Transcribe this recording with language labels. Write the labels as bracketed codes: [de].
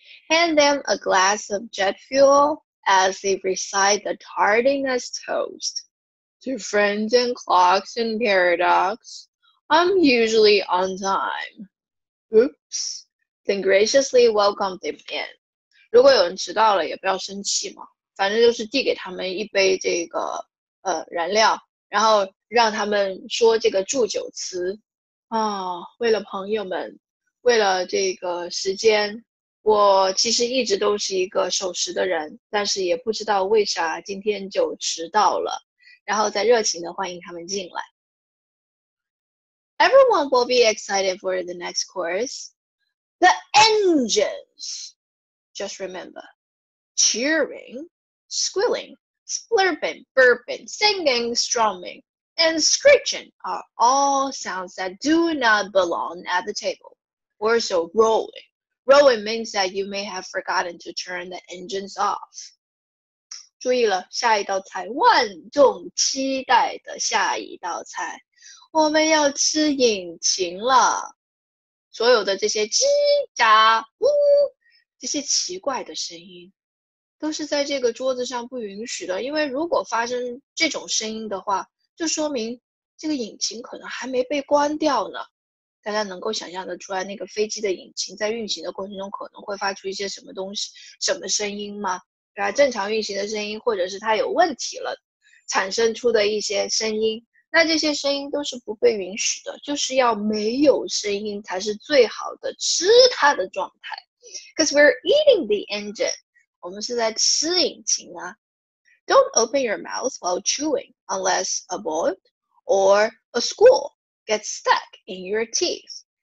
[en] Hand them a glass of jet fuel as they recite the tardiness toast. To friends and clocks and paradox, I'm usually on time. Oops. Then graciously welcome them in. [zh] 如果有人迟到了也不要生气嘛，反正就是递给他们一杯这个燃料，然后让他们说这个祝酒词啊。为了朋友们，为了这个时间，我其实一直都是一个守时的人，但是也不知道为啥今天就迟到了。然后再热情地欢迎他们进来。 [en] Everyone will be excited for the next course. The engines! Just remember, cheering, squealing, splurping, burping, singing, strumming, and screeching are all sounds that do not belong at the table. Also rolling. Rolling means that you may have forgotten to turn the engines off. [zh] 注意了，下一道菜，万众期待的下一道菜，我们要吃引擎了。所有的这些叽喳呜，这些奇怪的声音，都是在这个桌子上不允许的。因为如果发生这种声音的话，就说明这个引擎可能还没被关掉呢。大家能够想象的出来，那个飞机的引擎在运行的过程中可能会发出一些什么东西、什么声音吗？对吧？正常运行的声音，或者是它有问题了，产生出的一些声音，那这些声音都是不被允许的，就是要没有声音才是最好的吃它的状态。 [en] Because we're eating the engine， [zh] 我们是在吃引擎啊。 [en] Don't open your mouth while chewing unless a bolt or a screw gets stuck in your teeth.